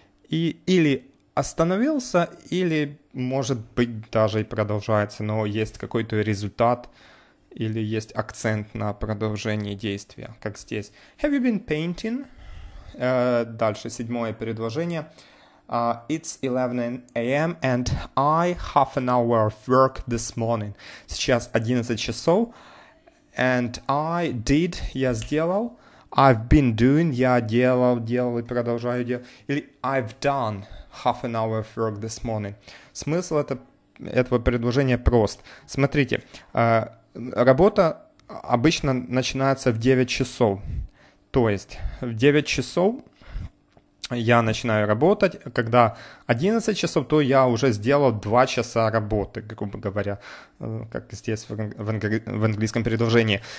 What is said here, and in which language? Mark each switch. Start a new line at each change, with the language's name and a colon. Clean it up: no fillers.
Russian: И или остановился, или, может быть, даже и продолжается, но есть какой-то результат или есть акцент на продолжении действия, как здесь.
English: Have you been painting?
Russian: Дальше, 7-е предложение.
English: It's 11 a.m. and I half an hour of work this morning.
Russian: Сейчас 11 часов.
English: And I did,
Russian: я сделал.
English: I've been doing,
Russian: я делал и продолжаю делать. Или
English: I've done half an hour of work this morning.
Russian: Смысл этого предложения прост. Смотрите, работа обычно начинается в 9 часов. То есть в 9 часов я начинаю работать. Когда 11 часов, то я уже сделал 2 часа работы, грубо говоря, как здесь в английском предложении.